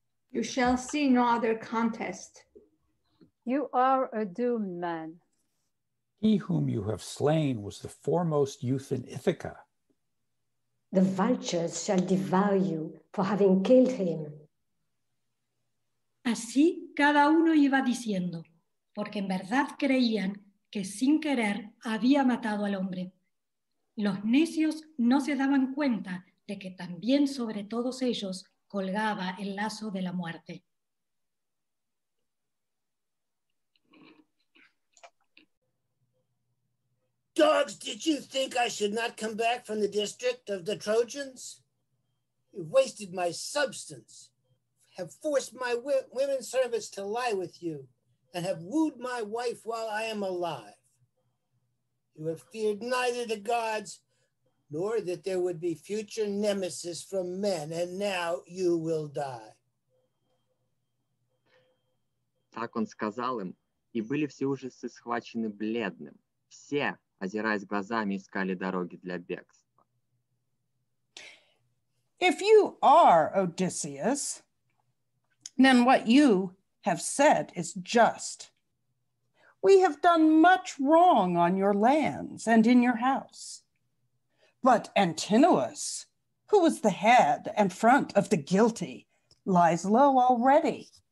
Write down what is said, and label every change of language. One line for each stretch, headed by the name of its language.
English: You shall see no other contest. You are a doomed man. He whom you have slain was the foremost youth in Ithaca. The vultures shall devour you for having killed him.
Spanish: Así cada uno iba diciendo, porque en verdad creían que sin querer había matado al hombre. Los necios no se daban cuenta de que también sobre todos ellos colgaba el lazo de la muerte.
English: Dogs, did you think I should not come back from the district of the Trojans? You've wasted my substance, have forced my women servants to lie with you, and have wooed my wife while I am alive. You have feared neither the gods, nor that there would be future nemesis from men, and now you will die.
Russian: Так он сказал им, и были все ужасы схвачены бледным. Все. Озираясь глазами, искали дороги для бегства.
English: If you are Odysseus, then what you have said is just. We have done much wrong on your lands and in your house. But Antinous, who was the head and front of the guilty, lies low already.